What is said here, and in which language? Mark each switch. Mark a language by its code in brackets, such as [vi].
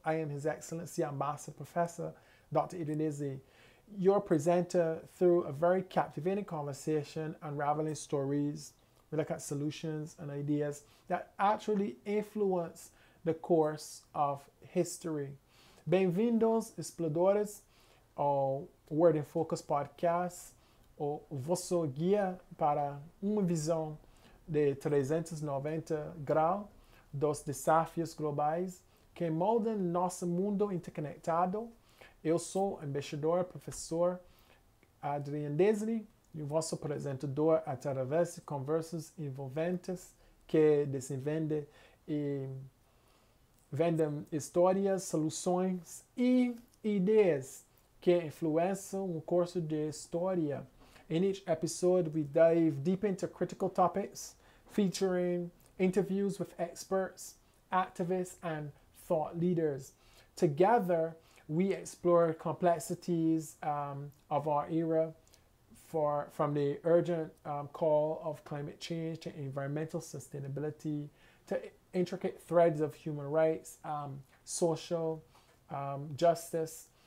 [en] I am His Excellency Ambassador Professor Dr. Idunizi, your presenter through a very captivating conversation unraveling stories. We look at solutions and ideas that actually influence the course of history. [pt] Bem-vindos, exploradores, ao Word in Focus podcast, o vosso guia para uma visão de 390 graus dos desafios globais que moldam nosso mundo interconectado. Eu sou o embaixador, professor Adrian Daisley, e o vosso apresentador através de conversas envolventes que desenvolvem e vendem histórias, soluções e ideias que influenciam o curso de história. [en] In each episode, we dive deep into critical topics, featuring interviews with experts, activists, and thought leaders. Together, we explore complexities of our era, from the urgent call of climate change to environmental sustainability, to intricate threads of human rights, social justice.